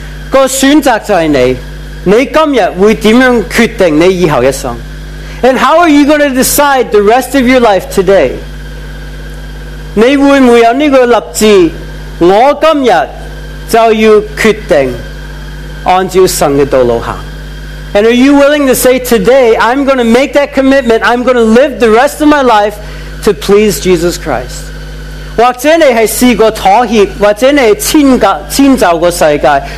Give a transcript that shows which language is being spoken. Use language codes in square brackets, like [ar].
[zh] 个选择就是你, 你今日会怎样决定你以后一生? [en] And how are you going to decide the rest of your life today? [zh] 你会不会有这个立志? 我今日就要决定按照神的道路行。 [en] And are you willing to say today, I'm going to make that commitment, I'm going to live the rest of my life to please Jesus Christ? [zh] 或者你是试过妥协，或者你迁就过世界。